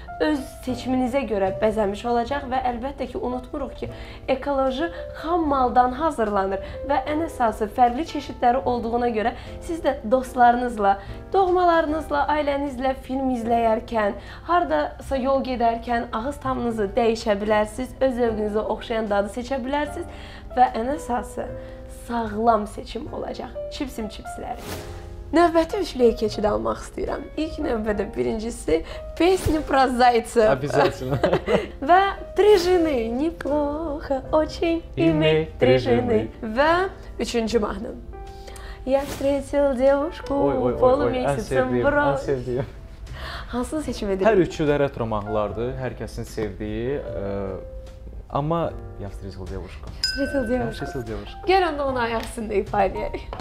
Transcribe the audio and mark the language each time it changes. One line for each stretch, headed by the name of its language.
Azerbaijani: öz seçiminizə görə bəzəmiş olacaq və əlbəttə ki, unutmuruq ki, ekoloji xam maldan hazırlanır və ən əsası fərqli çeşidləri olduğuna görə siz də dostlarınızla, doğmalarınızla, ailənizlə film izləyərkən, haradasa yol gedərkən ağız tamınızı dəyişə bilərsiniz, öz zövqünüzə oxşayan dadı seçə bilərsiniz və ən əsası sağlam seçim olacaq. Chipsim Chipsiləri. Növbəti üçlüyə keçid almaq istəyirəm. İlk növbədə birincisi
Russian: песни про зайца. Обязательно. Və три жены неплохо, очень иметь три жены.
Azerbaijani: Və üçüncü mahnım.
Russian: Я встретил девушку полумесяцем в рост.
Azerbaijani: Hansını seçim edirəm? Hər üçü də retro mahnılardır, hər kəsin sevdiyi.
Russian: Amma я встретил девушку. Я встретил девушку.
Azerbaijani: Gələn də onu ayaq üstündə ifa edək.